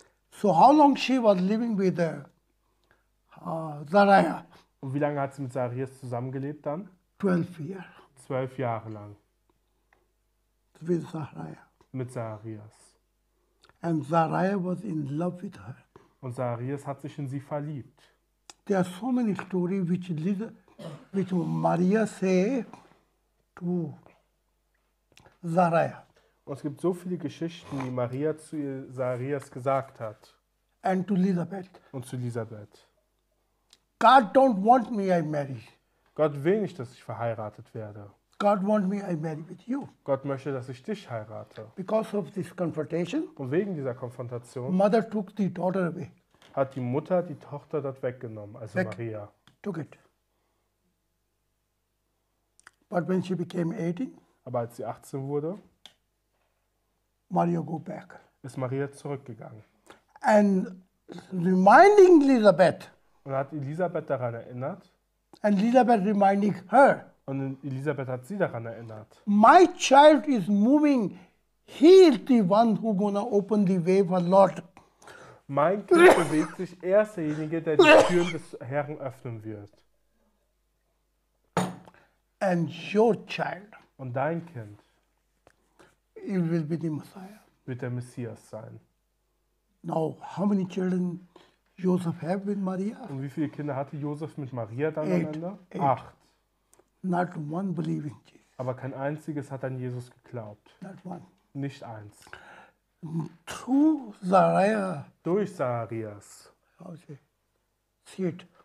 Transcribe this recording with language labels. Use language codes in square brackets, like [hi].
[en] So how long she was living with the Zarai? [de] Und wie lange hat sie mit Zacharias zusammengelebt dann? 12 Jahre lang. [en] With Zacharias. [de] Mit Zacharias. [en] And Zacharias was in love with her. [de] Und Zacharias hat sich in sie verliebt. [en] There are so many stories which Maria say to Zacharias. [de] Und es gibt so viele Geschichten, die Maria zu Zacharias gesagt hat. [en] And to Elizabeth. [de] Und zu Elisabeth. [en] God don't want me I marry. [de] Gott will nicht, dass ich verheiratet werde. [en] God want me I marry with you. [de] Gott möchte, dass ich dich heirate. [en] Because of this confrontation. [de] Und wegen dieser Konfrontation. [en] Mother took the daughter away. [de] Hat die Mutter die Tochter dort weggenommen, also weg. Maria. [en] Took it. But when she became 18. [de] Aber als sie 18 wurde. [en] Maria go back. [de] Ist Maria zurückgegangen. [en] And reminding Elizabeth. [de] Und hat Elisabeth daran erinnert. [en] And Elisabeth reminding her. [de] Und Elisabeth hat sie daran erinnert. [en] My child is moving. He is the one who gonna open the way for Lord. [de] Mein Kind bewegt sich. Er ist derjenige, der die Türen des Herrn öffnen wird. [en] And your child. [de] Und dein Kind. [en] It will be the Messiah. [de] Wird der Messias sein. [en] Now, how many children Joseph had with Maria? [de] Und wie viele Kinder hatte Joseph mit Maria dann am Ende? Acht. [en] Not one believing Jesus. [de] Aber kein einziges hat an Jesus geglaubt. [en] Not one. [de] Nicht eins. [en] Through Zacharias. [de] Durch Zacharias. [en] Okay. Seed.